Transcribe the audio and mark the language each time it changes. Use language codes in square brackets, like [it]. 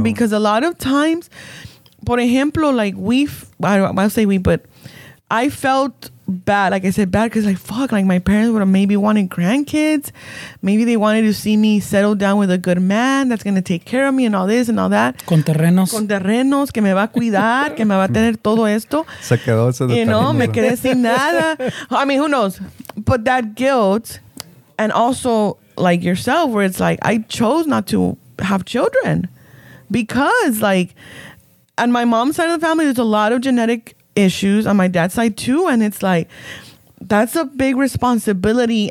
[en] Because a lot of times, [es] por ejemplo, [en] like I felt bad. Like I said, bad because like, fuck, like my parents would have maybe wanted grandkids. Maybe they wanted to see me settle down with a good man that's going to take care of me and all this and all that. [es] Con terrenos, que me va a cuidar, que me va a tener todo esto. Se quedó ese de terreno. Me quedé sin nada. [en] I mean, who knows? But that guilt, and also like yourself, where it's like, I chose not to have children because like, and my mom's side of the family, there's a lot of genetic issues on my dad's side too, and it's like, that's a big responsibility.